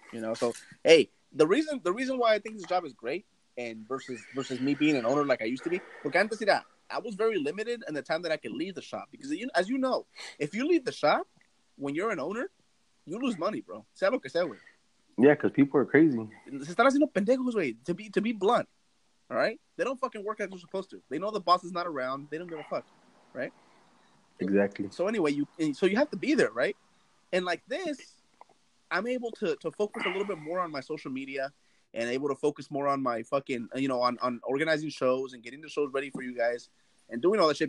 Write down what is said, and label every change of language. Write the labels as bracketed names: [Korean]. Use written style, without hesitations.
[English] You know, so, hey, the reason why I think this job is great and versus me being an owner like I used to be, [Spanish] porque antes era, [English] I was very limited in the time that I could leave the shop. Because, as you know, if you leave the shop, when you're an owner, you lose money, bro. [Spanish] Sea lo que sea, güey. [English] Yeah, because people are crazy. [Spanish] Se están haciendo pendejos, güey, [English] to be blunt, all right? They don't fucking work as they're supposed to. They know the boss is not around. They don't give a fuck, right? Exactly. So anyway, you have to be there, right? And like this, I'm able to focus a little bit more on my social media and able to focus more on my fucking, you know, on organizing shows and getting the shows ready for you guys and doing all that shit.